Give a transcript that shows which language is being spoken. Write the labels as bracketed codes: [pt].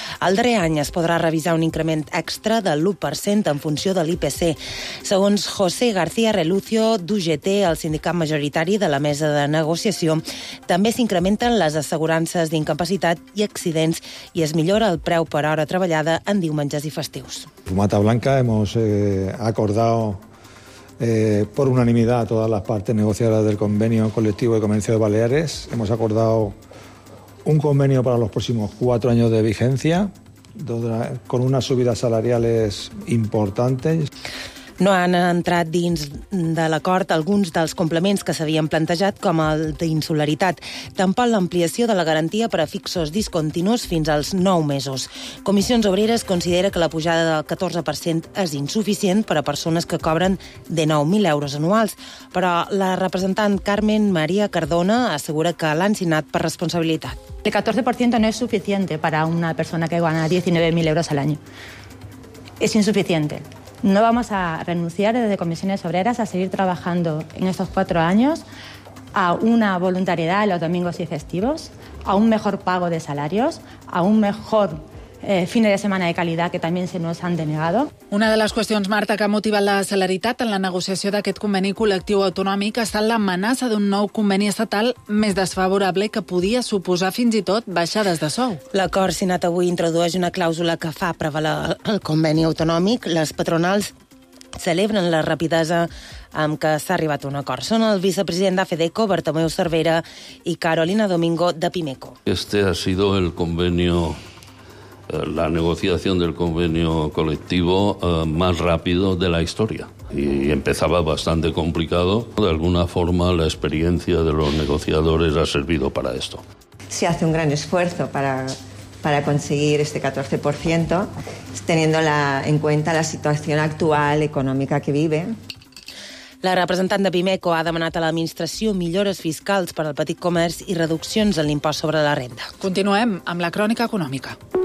[ca] El darrer any es podrà revisar un increment extra de l'1% en funció de l'IPC. Segons José García Relucio, d'UGT, el sindicat majoritari de la mesa de negociació, també s'incrementen les assegurances d'incapacitat i accidents i es millora el preu per hora treballada en diumenges i festius. [es] Fumata Blanca, hemos acordado por unanimidad a todas las partes negociadas del convenio colectivo de comercio de Baleares. Hemos acordado un convenio para los próximos 4 años de vigencia, con unas subidas salariales importantes. [ca] No han entrat dins de l'acord alguns dels complements que s'havien plantejat, com el d'insularitat. Tampoc l'ampliació de la garantia per a fixos discontinus fins als 9 mesos. Comissions Obreres considera que la pujada del 14% és insuficient per a persones que cobren de 9.000 euros anuals. Però la representant Carmen Maria Cardona assegura que l'han signat per responsabilitat. El 14% no és suficient per a una persona que guanya 19.000 euros al any. És insuficient. [es] No vamos a renunciar desde Comisiones Obreras a seguir trabajando en estos 4 años a una voluntariedad los domingos y festivos, a un mejor pago de salarios, a un mejor fines de [ca] setmana [es] de calidad que también se nos han denegado. [ca] Una de les qüestions, Marta, que ha motivat la celeritat en la negociació d'aquest conveni col·lectiu autonòmic ha estat l'amenaça d'un nou conveni estatal més desfavorable que podia suposar fins i tot baixades de sou. L'acord signat avui introdueix una clàusula que fa prevaler el conveni autonòmic. Les patronals celebren la rapidesa amb què s'ha arribat a un acord. Són el vicepresident d'AFEDECO, Bartomeu Cervera, i Carolina Domingo, de Pimeco. [es] Este ha sido el convenio, la negociación del convenio colectivo más rápido de la historia. Y empezaba bastante complicado. De alguna forma, la experiencia de los negociadores ha servido para esto. Se hace un gran esfuerzo para conseguir este 14%, teniendo en cuenta la situación actual económica que vive. [ca] La representant de Pimeco ha demanat a l'administració millores fiscals per al petit comerç i reduccions en l'impost sobre la renda. Continuem amb la crònica econòmica.